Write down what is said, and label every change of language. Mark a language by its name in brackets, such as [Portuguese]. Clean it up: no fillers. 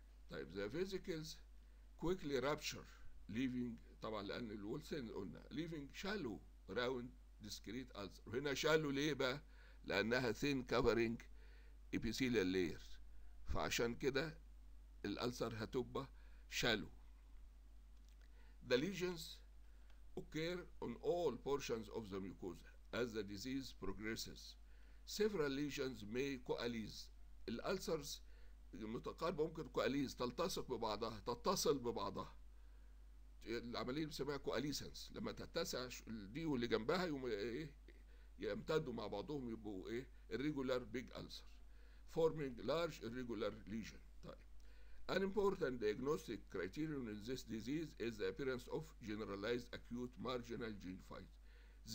[Arabic] طيب [English] the vesicles quickly rupture leaving, [Arabic] طبعا لان [English] الولسين قلنا leaving shallow round discrete ulcers. [Arabic] هنا شالو ليه بقى؟ لانها [English] thin covering epithelial layer, [Arabic] فعشان كده الألسر هتبقى شالو. [English] The lesions occur on all portions of the mucosa as the disease progresses. Several lesions may coalesce. [Arabic] الألسرز المتقاربة ممكن كواليز، تلتصق ببعضها، تتصل ببعضها. العملية بنسميها كواليسنس، لما تتسع دي واللي جنبها يمتدوا مع بعضهم يبقوا ايه؟ [English] irregular big ulcer forming large irregular lesion. An important diagnostic criterion in this disease is the appearance of generalized acute marginal gingivitis.